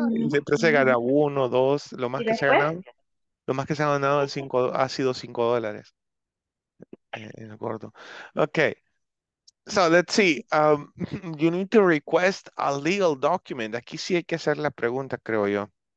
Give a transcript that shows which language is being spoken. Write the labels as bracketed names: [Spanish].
[Spanish] Siempre se gana uno, dos, lo más que se ha ganado. Lo más que se ha ganado ha sido $5. En el gordo. Ok. [English] So let's see, you need to request a legal document. [Spanish] Aquí sí hay que hacer la pregunta, creo yo.